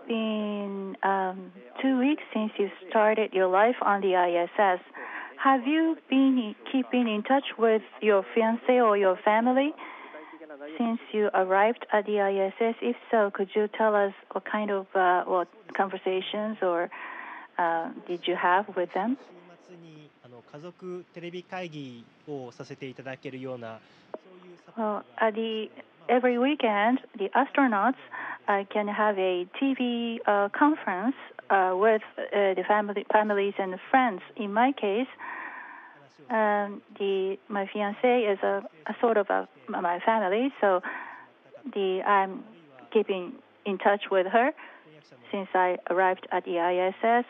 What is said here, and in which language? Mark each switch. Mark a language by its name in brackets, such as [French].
[English] been 2 weeks since you started your life on the ISS. Have you been keeping in touch with your fiancé or your family? Since you arrived at the ISS, if so, could you tell us what kind of what conversations or did you have with them? [Japanese] 週末にあの家族テレビ会議をさせていただけるようなそういうサポートが。 [English] Well, every weekend, the astronauts can have a TV conference with the families and friends. In my case,my fiancé is a sort of my family, so I'm keeping in touch with her since I arrived at the ISS.